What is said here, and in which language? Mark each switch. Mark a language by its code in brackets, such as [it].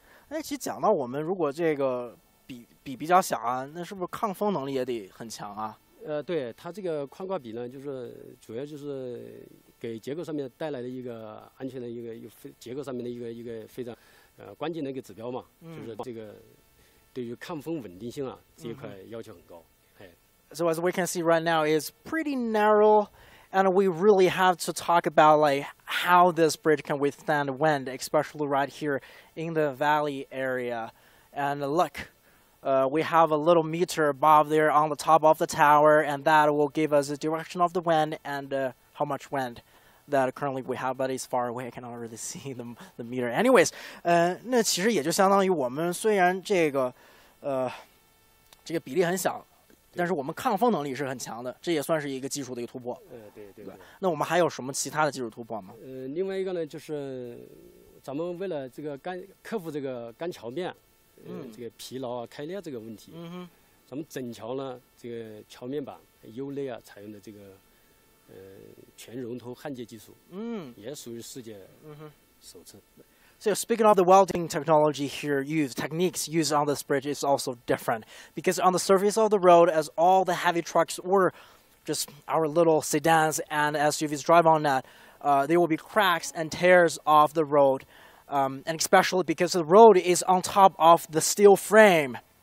[zh] 那其实讲到我们如果这个比较小啊，那是不是抗风能力也得很强啊？对，它这个宽挂比呢，就是主要就是给结构上面带来的一个安全的一个非常关键的一个指标嘛，就是这个对于抗风稳定性啊这一块要求很高。 [en] So as we can see right now, it's pretty narrow, and we really have to talk about like how this bridge can withstand wind, especially right here in the valley area. And look. We have a little meter above there on the top of the tower, and that will give us the direction of the wind and how much wind that currently we have, but it's far away. I cannot really see the meter. [zh] Anyways, 那其实也就相当于我们虽然这个比例很小，但是我们抗风能力是很强的，这也算是一个技术的一个突破。对。那我们还有什么其他的技术突破吗？另外一个呢，就是咱们为了这个克服这个干桥面。这个疲劳啊开裂这个问题，咱们整桥呢这个桥面板U类啊采用的这个全熔透焊接技术，也属于世界首次。 [en] So speaking of the welding technology here used, techniques used on this bridge is also different. Because on the surface of the road, as all the heavy trucks or just our little sedans and SUVs drive on that, there will be cracks and tears off the road. And especially because the road is on top of the steel frame.